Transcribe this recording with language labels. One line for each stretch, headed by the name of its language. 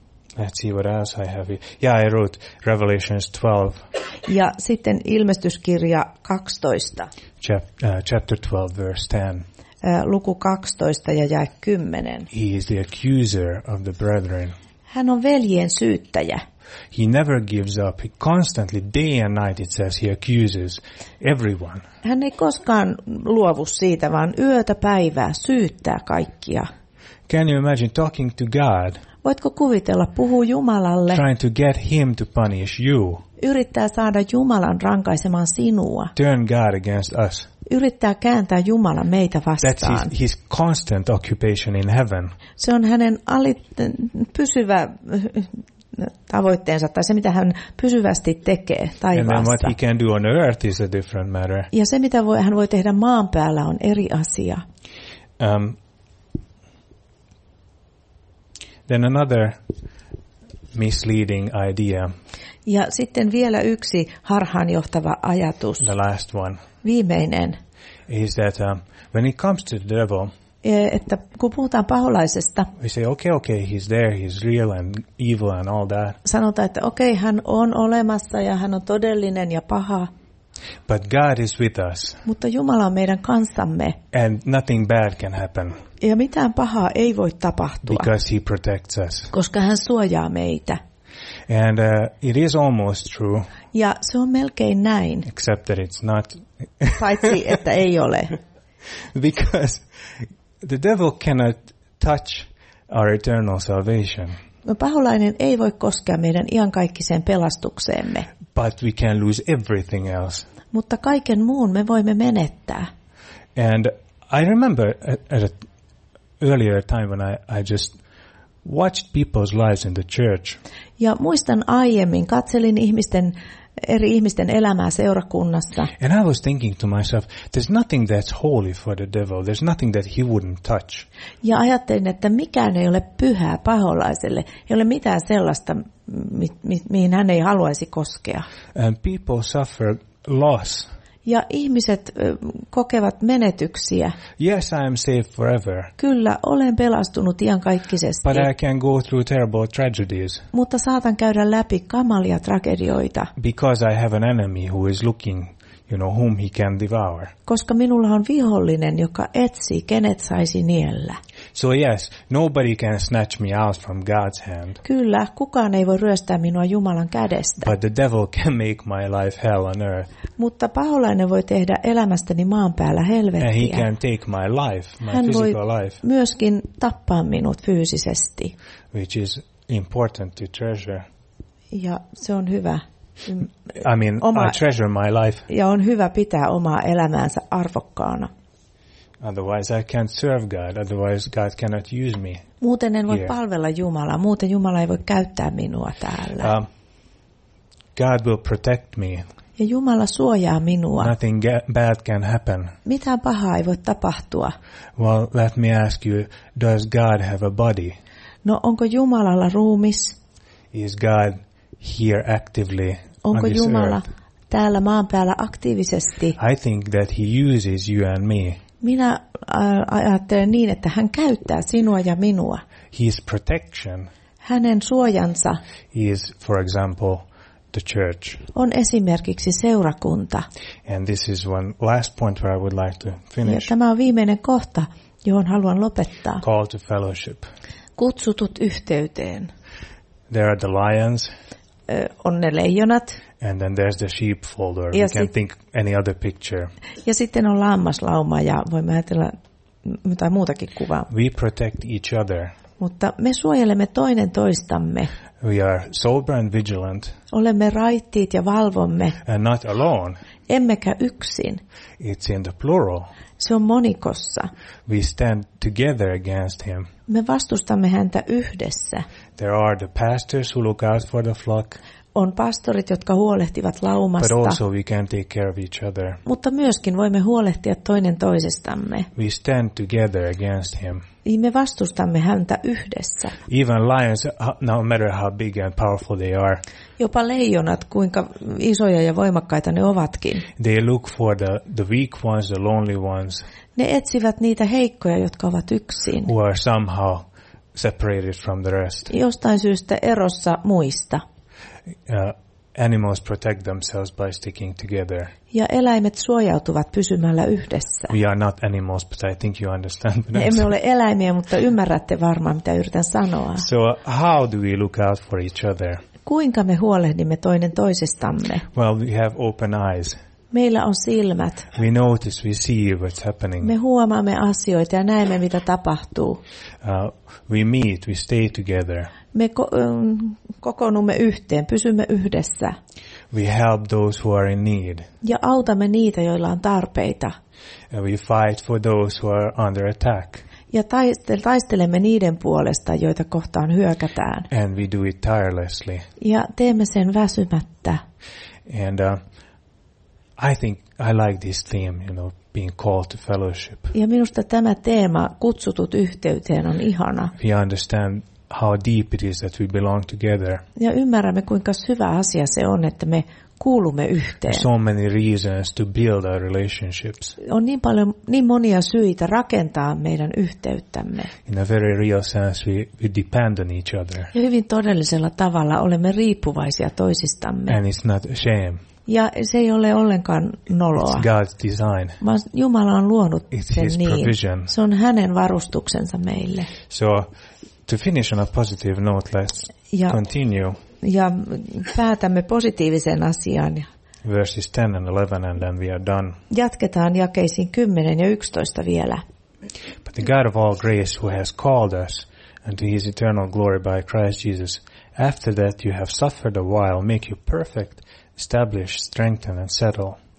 English: Let's see what else I have here. Yeah, I wrote Revelations 12.
Finnish: Ja sitten ilmestyskirja 12.
English: Chapter 12, verse 10.
Finnish: Luku 12 ja jae 10.
English: He is the accuser of the brethren.
Finnish: Hän on veljien syyttäjä.
English: He never gives up. He constantly, day and night, it says, he accuses everyone.
Finnish: Hän ei koskaan luovu siitä, vaan yötä päivää syyttää kaikkia.
English: Can you imagine talking to God?
Finnish: Voitko kuvitella puhuu Jumalalle?
English: Trying to get him to punish you.
Finnish: Yrittää saada Jumalan rankaisemaan sinua.
English: Turn God against us.
Finnish: Yrittää kääntää Jumala meitä vastaan.
English: That's his constant occupation in heaven.
Finnish: Se on hänen pysyvä tavoitteensa tai se mitä hän pysyvästi tekee taivaassa.
English: And what he can do on earth is a different matter.
Finnish: Ja se mitä hän voi tehdä maan päällä on eri asia.
English: Then another misleading idea.
Finnish: Ja sitten vielä yksi harhaanjohtava ajatus.
English: The last one.
Finnish: Viimeinen.
English: Is that when it comes to the devil?
Finnish: Että kun puhutaan paholaisesta.
English: We say okay, he's there, he's real and evil and all that.
Finnish: Sanotaan, että okay, hän on olemassa ja hän on todellinen ja paha.
English: But God is with us.
Finnish: Mutta Jumala on meidän kanssamme.
English: And nothing bad can happen.
Finnish: Ja mitään pahaa ei voi tapahtua.
English: Because he protects us.
Finnish: Koska hän suojaa meitä.
English: And it is almost true.
Finnish: Ja se on melkein näin.
English: Except that it's not.
Finnish: Paitsi että ei ole.
English: Because the devil cannot touch our eternal salvation.
Finnish: Paholainen ei voi koskea meidän iankaikkiseen pelastukseemme.
English: But we can lose everything else.
Finnish: Mutta kaiken muun me voimme menettää.
English: And I remember at an earlier time when I just watched people's lives in the church.
Finnish: Ja muistan aiemmin, katselin eri ihmisten elämää seurakunnassa.
English: And I was thinking to myself, there's nothing that's holy for the devil. There's nothing that he wouldn't touch.
Finnish: Ja ajattelin, että mikään ei ole pyhää paholaiselle. Ei ole mitään sellaista, mihin hän ei haluaisi koskea.
English: And people suffer loss.
Finnish: Ja ihmiset kokevat menetyksiä.
English: Yes, I am saved forever.
Finnish: Kyllä, olen pelastunut iankaikkisesti.
English: But I can go through terrible tragedies.
Finnish: Mutta saatan käydä läpi kamalia tragedioita.
English: Because I have an enemy who is looking, you know, whom he can devour.
Finnish: Koska minulla on vihollinen, joka etsii, kenet saisi niellä.
English: So yes, nobody can snatch me out from God's hand.
Finnish: Kyllä, kukaan ei voi ryöstää minua Jumalan kädestä.
English: But the devil can make my life hell on earth.
Finnish: Mutta paholainen voi tehdä elämästäni maan päällä helvettiä.
English: And he can take my life, my
Finnish: Hän
English: physical life.
Finnish: Hän voi myöskin tappaa minut fyysisesti.
English: Which is important to treasure.
Finnish: Ja se on hyvä.
English: I mean, I treasure my life.
Finnish: Ja on hyvä pitää omaa elämäänsä arvokkaana.
English: Otherwise I can't serve God. Otherwise God cannot use me.
Finnish: Muuten en voi palvella Jumalaa. Muuten Jumala ei voi käyttää minua täällä.
English: God will protect me.
Finnish: Ja Jumala suojaa minua.
English: Nothing bad can happen.
Finnish: Mitä pahaa ei voi tapahtua?
English: Well, let me ask you, does God have a body?
Finnish: No, onko Jumalalla ruumis?
English: Is God here actively on this earth?
Finnish: Onko Jumala täällä maan päällä aktiivisesti?
English: I think that he uses you and me.
Finnish: Minä ajattelen niin, että hän käyttää sinua ja minua.
English: His protection.
Finnish: Hänen suojansa.
English: Is, for example, the church.
Finnish: On esimerkiksi seurakunta.
English: And this is one last point where I would like to finish.
Finnish: Ja tämä on viimeinen kohta, johon haluan lopettaa.
English: Call to fellowship.
Finnish: Kutsutut yhteyteen.
English: There are the lions.
Finnish: On ne leijonat.
English: And then there's the sheepfold, or you can think any other picture.
Finnish: Ja sitten on lammaslauma, ja voimme ajatella jotain muutakin kuvaa.
English: We protect each other.
Finnish: Mutta me suojelemme toinen toistamme.
English: We are sober and vigilant.
Finnish: Olemme raittiit ja valvomme.
English: And not alone.
Finnish: Emmekä yksin.
English: It's in the plural.
Finnish: Se on monikossa.
English: We stand together against him.
Finnish: Me vastustamme häntä yhdessä.
English: There are the pastors who look out for the flock.
Finnish: On pastorit, jotka huolehtivat laumasta.
English: But also we can take care of each other.
Finnish: Mutta myöskin voimme huolehtia toinen toisestamme.
English: We stand together against him.
Finnish: Me vastustamme häntä yhdessä.
English: Even lions, no matter how big and powerful they are.
Finnish: Jopa leijonat, kuinka isoja ja voimakkaita ne ovatkin.
English: They look for the weak ones, the lonely ones.
Finnish: Ne etsivät niitä heikkoja, jotka ovat yksin.
English: Who are somehow separated from the rest.
Finnish: Jostain syystä erossa muista.
English: Animals protect themselves by sticking together.
Finnish: Ja eläimet suojautuvat pysymällä yhdessä.
English: We are not animals, but I think you understand.
Finnish: Me emme ole eläimiä, mutta ymmärrätte varmaan, mitä yritän sanoa.
English: So how do we look out for each other?
Finnish: Kuinka me huolehdimme toinen toisestamme?
English: Well, we have open eyes.
Finnish: Meillä on silmät.
English: We notice, we see what's happening.
Finnish: Me huomaamme asioita ja näemme, mitä tapahtuu.
English: We meet, we stay together.
Finnish: Me kokoonnumme yhteen, pysymme yhdessä.
English: We help those who are in need.
Finnish: Ja autamme niitä, joilla on tarpeita.
English: And we fight for those who are under attack.
Finnish: Ja taistelemme niiden puolesta, joita kohtaan hyökätään.
English: And we do it tirelessly.
Finnish: Ja teemme sen väsymättä.
English: And I think I like this theme, you know, being called to fellowship.
Finnish: Ja minusta tämä teema, kutsutut yhteyteen, on ihana.
English: We understand how deep it is that we belong together.
Finnish: Ja ymmärrämme, kuinka syvä asia se on, että me kuulumme yhteen.
English: So many reasons to build our relationships.
Finnish: On niin paljon, niin monia syitä rakentaa meidän yhteyttämme.
English: In a very real sense, we depend on each other.
Finnish: Ja hyvin todellisella tavalla olemme riippuvaisia toisistamme.
English: And it's not a shame.
Finnish: Ja se ei ole ollenkaan noloa.
English: It's God's design.
Finnish: Vaan Jumala on luonut
English: it's
Finnish: sen niin.
English: Provision.
Finnish: Se on hänen varustuksensa meille.
English: So, to finish on a positive note, let's continue.
Finnish: Ja päätämme positiiviseen asiaan.
English: Verses 10 and 11 and then we are done.
Finnish: Jatketaan jakeisiin 10 ja 11 vielä.
English: But the God of all grace who has called us unto his eternal glory by Christ Jesus, after that you have suffered a while, make you perfect, establish, strengthen and settle.